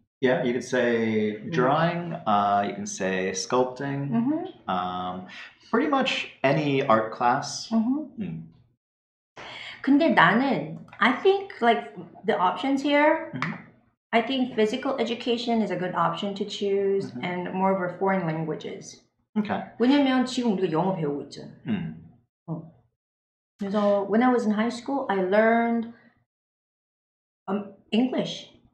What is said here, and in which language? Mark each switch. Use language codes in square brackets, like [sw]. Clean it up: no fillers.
[en] Yeah, you could say drawing, you can say sculpting, pretty much any art class. Mm-hmm. [ko] 근데 나는, [en] I think like the options here, I think physical education is a good option to choose and more of a foreign languages. Okay. [ko] 왜냐면 지금 우리가 영어 배우고 있죠. [en] 그래서 when I was in high school, I learned English.